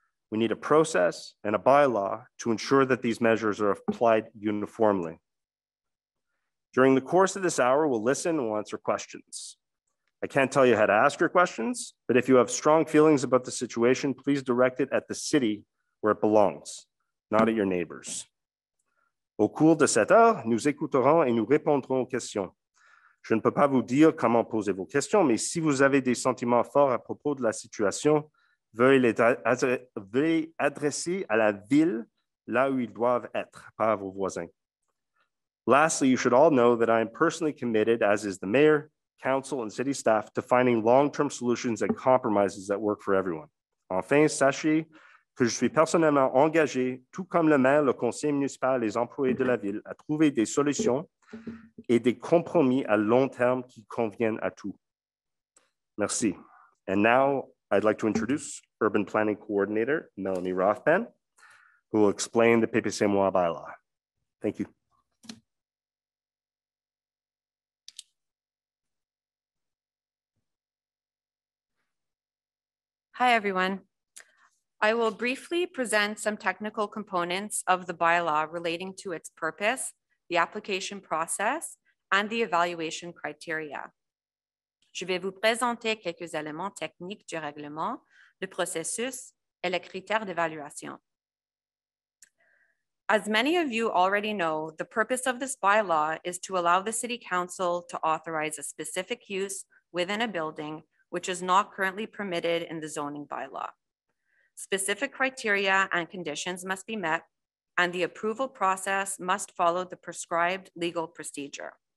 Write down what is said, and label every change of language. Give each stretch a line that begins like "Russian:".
English: We need a process and a bylaw to ensure that these measures are applied uniformly. During the course of this hour, we'll listen and we'll answer questions. I can't tell you how to ask your questions, but if you have strong feelings about the situation, please direct it at the city where it belongs, not at your neighbors.
French: Au cours de cette heure, nous écouterons et nous répondrons aux questions. Je ne peux pas vous dire comment poser vos questions, mais si vous avez des sentiments forts à propos de la situation, veuillez les adresser à la ville là où ils doivent être, pas à vos voisins.
English: Lastly, you should all know that I am personally committed, as is the mayor, council, and city staff, to finding long-term solutions and compromises that work for everyone.
French: Enfin, sachez que je suis personnellement engagé, tout comme le maire, le conseil municipal et les employés de la ville, à trouver des solutions et des compromis à long terme qui conviennent à tous.
English: Merci. And now I'd like to introduce Urban Planning Coordinator Melanie Rothman, who will explain the PPCMOA bylaw. Thank you. Hi, everyone. I will briefly present some technical components of the bylaw relating to its purpose, the application process, and the evaluation criteria.
French: Je vais vous présenter quelques éléments techniques du règlement, le processus et les critères d'évaluation.
English: As many of you already know, the purpose of this bylaw is to allow the City Council to authorize a specific use within a building which is not currently permitted in the zoning bylaw. Specific criteria and conditions must be met, and the approval process must follow the prescribed legal procedure.